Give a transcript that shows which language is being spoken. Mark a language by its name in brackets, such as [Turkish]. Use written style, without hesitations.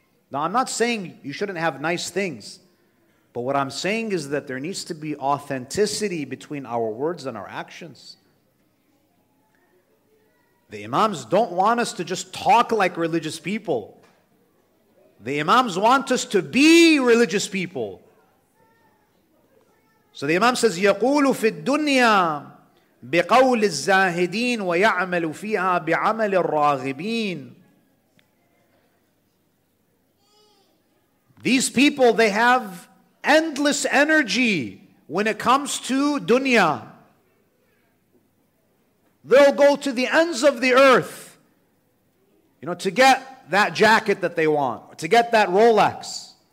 [English] Now, I'm not saying you shouldn't have nice things, but what I'm saying is that there needs to be authenticity between our words and our actions. The imams don't want us to just talk like religious people. The imams want us to be religious people. So the imam says, [Arabic] يَقُولُ فِي الدُّنْيَا بِقَوْلِ الزَّاهِدِينَ وَيَعْمَلُ فِيهَا بِعَمَلِ الرَّاغِبِينَ. [English] These people, they have endless energy when it comes to dunya. They'll go to the ends of the earth, you know, to get that jacket that they want, to get that Rolex.